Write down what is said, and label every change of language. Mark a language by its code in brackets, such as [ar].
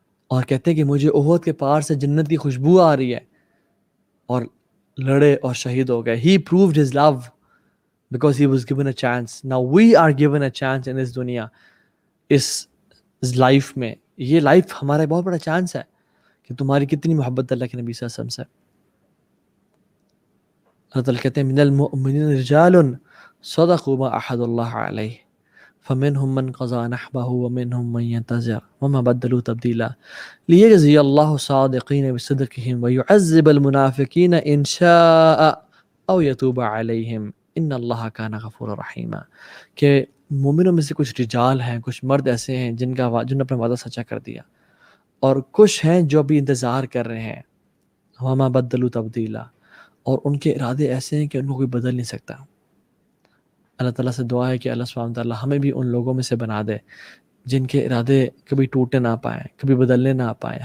[ur] اور کہتے ہیں کہ مجھے احد کے پار سے جنت کی خوشبو آ رہی ہے، اور لڑے اور شہید ہو گئے. [en] he proved his love because he was given a chance, now we are given a chance in this [ur] دنیا، اس لائف میں. یہ لائف ہمارا بہت بڑا چانس ہے کہ تمہاری کتنی محبت اللہ کے نبی صلی اللہ علیہ وسلم سے. اللہ تعالیٰ کہتے ہیں [ar] من المؤمنین رجال صدقوا ما عاهدوا اللہ علیہ فمنهم من قضى نحبه ومنهم من ينتظر وما بدلوا تبدیلا ليجزي الله الصادقين بصدقهم ويعذب المنافقين ان شاء او يتوب عليهم ان الله كان غفورا رحيما. [ur] کہ مومنوں میں سے کچھ رجال ہیں، کچھ مرد ایسے ہیں جن اپنا وعدہ سچا کر دیا، اور کچھ ہیں جو ابھی انتظار کر رہے ہیں. [ar] وما بدلوا تبدیلا، [ur] اور ان کے ارادے ایسے ہیں کہ ان کو کوئی بدل نہیں سکتا. اللہ تعالیٰ سے دعا ہے کہ اللہ سبحانہ وتعالیٰ ہمیں بھی ان لوگوں میں سے بنا دے جن کے ارادے کبھی ٹوٹے نہ پائیں، کبھی بدلنے نہ پائیں.